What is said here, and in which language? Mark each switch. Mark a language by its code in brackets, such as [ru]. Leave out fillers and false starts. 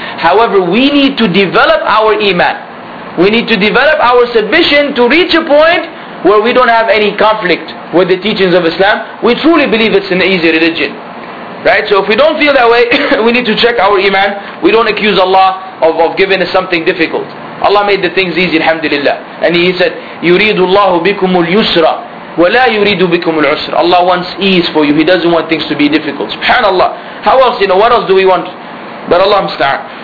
[en] However, we need to develop our iman. We need to develop our submission to reach a point where we don't have any conflict with the teachings of Islam. We truly believe it's an easy religion. Right? So if we don't feel that way, we need to check our iman. We don't accuse Allah of giving us something difficult. Allah made the things easy, alhamdulillah. And He said, [ar] يُرِيدُ اللَّهُ بِكُمُ الْيُسْرَ وَلَا يُرِيدُ بِكُمُ الْعُسْرَ. [en] Allah wants ease for you. He doesn't want things to be difficult. SubhanAllah. How else, you know, what else do we want? But Allah musta'an.